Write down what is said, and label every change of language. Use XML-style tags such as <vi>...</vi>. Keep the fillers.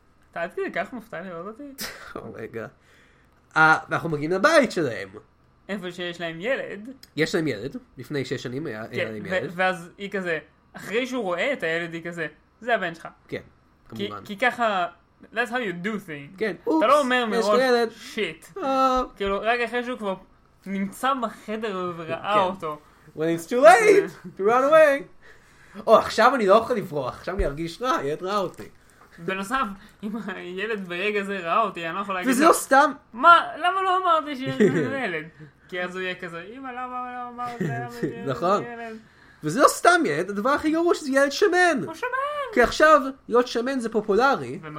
<he>אתה עד מופתע לראות אותי? רגע. ואנחנו מגיעים לבית שלהם. איפה שיש להם ילד. יש להם ילד, לפני שש שנים היה להם ילד. ואז היא כזה, אחרי שהוא רואה את הילד היא כזה, זה הבן שלך. כן, כי, כמובן. כי ככה,</he> <en>that's how you do things.</en> <he>כן, אופס, אתה לא אומר מראש, yes, שיט. Oh. כאילו, רק אחרי שהוא כבר נמצא בחדר וראה yeah. אותו.</he> <en>When it's too late, to run away.</en> <he>או, oh, עכשיו אני לא יכול לברוח, עכשיו אני ארגיש רע, ילד ראה אותי. בנוסף, אם הילד ברגע זה ראה אותי, אני לא יכול להגיד... וזה לא סתם! מה, למה לא אמרתי שיש לי ילד? כי אז הוא יהיה כזה, אמא, למה לא אמרת שיש לי ילד? נכון. וזה לא סתם ילד, הדבר הכי גרוע שזה ילד שמן. הוא שמן. כי עכשיו, להיות שמן זה פופולרי, ומגניב.</he>